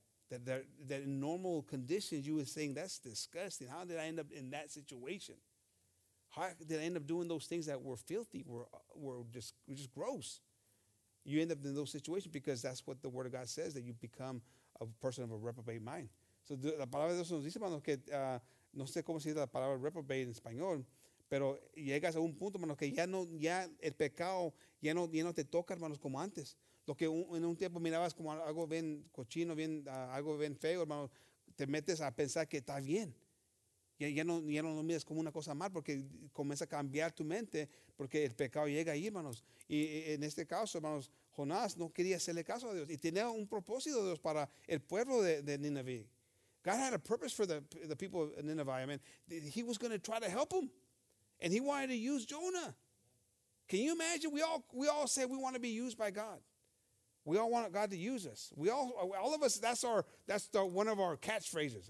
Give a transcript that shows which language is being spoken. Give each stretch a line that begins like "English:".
English: That in normal conditions you would think that's disgusting. How did I end up in that situation? How did I end up doing those things that were filthy, were just gross? You end up in those situations because that's what the Word of God says, that you become a person of a reprobate mind.
Spanish: So la palabra de Dios nos dice, hermano, que no sé cómo se dice la palabra reprobate en español, pero llegas a un punto, hermano, que ya el pecado ya no te toca, hermanos, como antes. Lo que en un tiempo mirabas como algo bien cochino, bien algo bien feo, hermano, te metes a pensar que está bien. Ya no lo miras como una cosa mal porque comienza a cambiar tu mente porque el pecado llega ahí, hermanos. Y en este caso, hermanos, Jonás no quería hacerle caso a Dios y tenía un propósito de Dios para el pueblo de Nineveh.
English: God had a purpose for the people of Nineveh. I mean, he was going to try to help them and he wanted to use Jonah. Can you imagine? We all say we want to be used by God. We all want God to use us. All of us, one of our catchphrases.